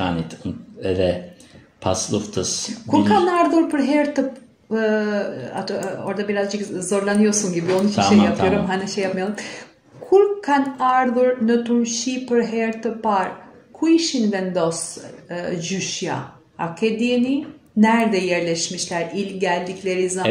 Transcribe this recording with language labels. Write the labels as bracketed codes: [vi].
[sq] Pas luftës Balkanit edhe pas luftës... Kur ka ardhur për her të... [tr] Atë, orada birazcık zorlanıyorsun gibi onun için şey yapıyorum hani şey yapmayalım. [sq] Kur kan ardhur në Turqi për herë të parë, ku ishin vendos gjyshja? A ke dieni [tr] nerede yerleşmişler ilk geldikleri zaman?